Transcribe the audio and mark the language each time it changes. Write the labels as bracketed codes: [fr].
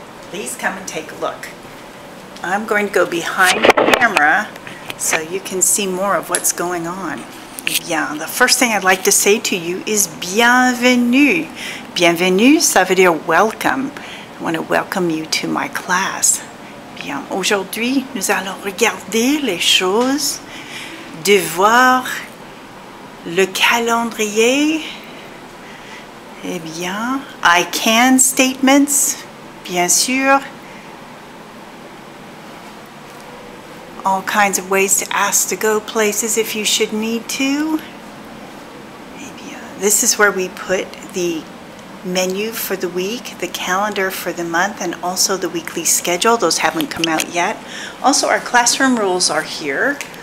[en] Please come and take a look. I'm going to go behind the camera so you can see more of what's going on. Bien, the first thing I'd like to say to you is bienvenue. Bienvenue, ça veut dire welcome. I want to welcome you to my class. [fr] Bien, aujourd'hui, nous allons regarder les choses. De voir le calendrier, eh bien, [en] I can statements, [fr] bien sûr. [en] All kinds of ways to ask to go places if you should need to. [fr] Eh bien, [en] this is where we put the menu for the week, the calendar for the month, and also the weekly schedule. Those haven't come out yet. Also, our classroom rules are here.